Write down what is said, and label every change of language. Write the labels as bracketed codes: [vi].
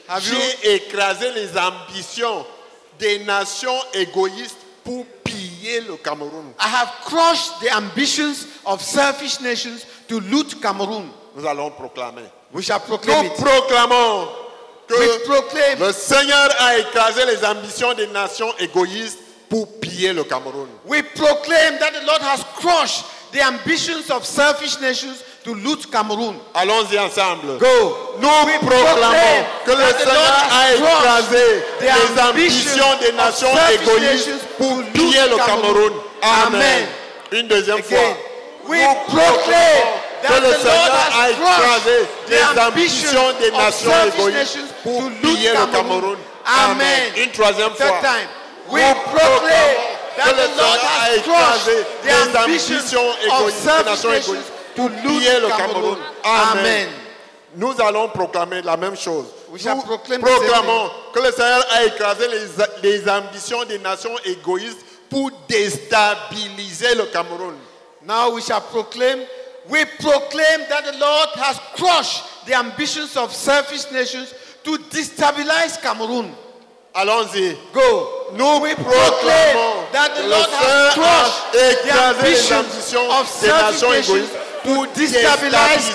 [fr] J'ai écrasé les ambitions des nations égoïstes pour piller le Cameroun. [en] I have crushed the ambitions of selfish nations to loot Cameroon. [fr] Nous allons proclamer. [en] We shall proclaim [fr] Nous proclamons que [en] We proclaim [fr] le Seigneur a écrasé les ambitions des nations égoïstes pour piller le Cameroun. [en] We proclaim that the Lord has crushed the ambitions of selfish nations to loot Cameroon. [fr] Allons-y ensemble. [en] Go. [fr] Nous We proclamons que le Seigneur a écrasé les ambitions des nations égoïstes pour piller le Cameroun. Amen. Une deuxième [en] Again. [fr] Fois. [en] We proclaim that [fr] que le Seigneur a écrasé les ambitions des nations égoïstes pour piller le Cameroun. Amen. Une troisième [en] Third [fr] fois. [en] Time. We proclaim that the Lord has crushed the ambitions of selfish nations to loot Cameroon. Amen. [fr] Nous allons proclamer la même chose. [en] We shall proclaim [fr] proclamons que le Seigneur a écrasé les ambitions des nations égoïstes pour déstabiliser le Cameroun. [en] Now we shall proclaim. We proclaim that the Lord has crushed the ambitions of selfish nations to destabilize Cameroon. [fr] Allons-y. [en] Go. [fr] Nous [en] we proclaim that the Lord has crushed the ambitions of selfish nations to destabilize